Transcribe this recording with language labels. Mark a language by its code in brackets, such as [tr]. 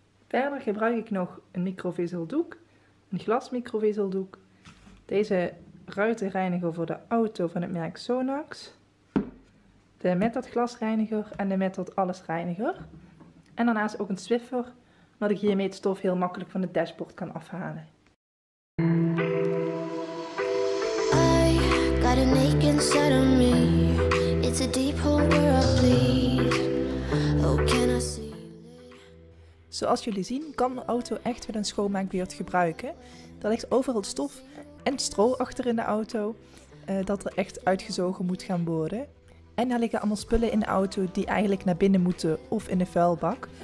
[nl] Verder gebruik ik nog een microvezeldoek, een glas microvezeldoek. Deze ruitenreiniger voor de auto van het merk Sonax. De Method glasreiniger en de Method allesreiniger. En daarnaast ook een Swiffer, omdat ik hiermee het stof heel makkelijk van het dashboard kan afhalen. [en] I got an ache inside of me. It's a deep hole where I bleed. Oh, can I see? [nl] Zoals jullie zien kan de auto echt met een schoonmaakbeurt gebruiken. Er ligt overal stof en stro achter in de auto dat er echt uitgezogen moet gaan worden. En daar liggen allemaal spullen in de auto die eigenlijk naar binnen moeten of in de vuilbak.